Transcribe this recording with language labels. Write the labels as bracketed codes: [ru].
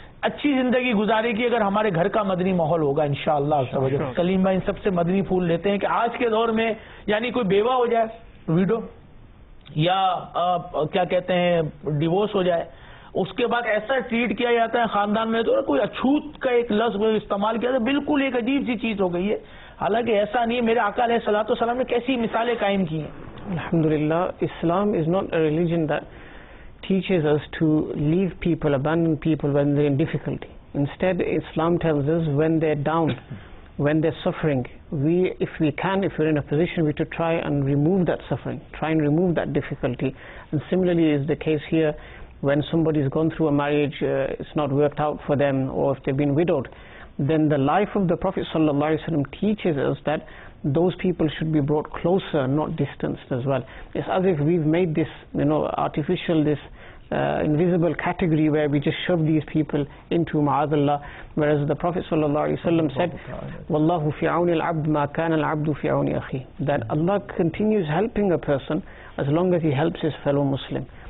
[ur] اچھی زندگی گزارے گی اگر ہمارے گھر کا مدنی ماحول ہوگا انشاءاللہ شاء اللہ کلیم بھائی ان سب سے مدنی پھول لیتے ہیں کہ آج کے دور میں یعنی کوئی بیوہ ہو جائے ویڈو یا کیا کہتے ہیں ڈیوورس ہو جائے اس کے بعد ایسا ٹریٹ کیا جاتا ہے خاندان میں تو کوئی اچھوت کا ایک لفظ استعمال کیا تھا، بالکل ایک عجیب سی چیز ہو گئی ہے، حالانکہ ایسا نہیں ہے. میرے آقا علیہ الصلوۃ والسلام نے کیسی مثالیں قائم کی ہیں. [en] الحمدللہ، Islam is not a religion that teaches us to leave people abandon people when they in difficulty. Instead Islam tells us when they down when they suffering we if we can if you are in a position we to try and remove that suffering try and remove that difficulty. And similarly is the case here when somebody has gone through a marriage, it's not worked out for them, or if they've been widowed, then the life of the Prophet sallallahu alaihi wasallam teaches us that those people should be brought closer, not distanced as well. It's as if we've made this, you know, artificial, this invisible category where we just shove these people into ma'azallah, whereas the Prophet sallallahu alaihi wasallam said, [ar] wallahu fi auni al-abd ma kana al-abdu fi auni akhi, [en] that Allah continues helping a person as long as he helps his fellow Muslim.